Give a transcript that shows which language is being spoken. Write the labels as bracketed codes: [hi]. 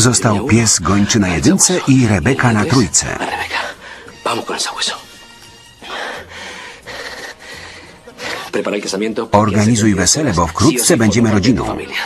[pl] Został pies gończy na jedynce i Rebeka na trójce. [es] Rebeka, vamos con el sabueso. Prepara el casamiento. [pl] Organizuj wesele, bo wkrótce będziemy rodziną.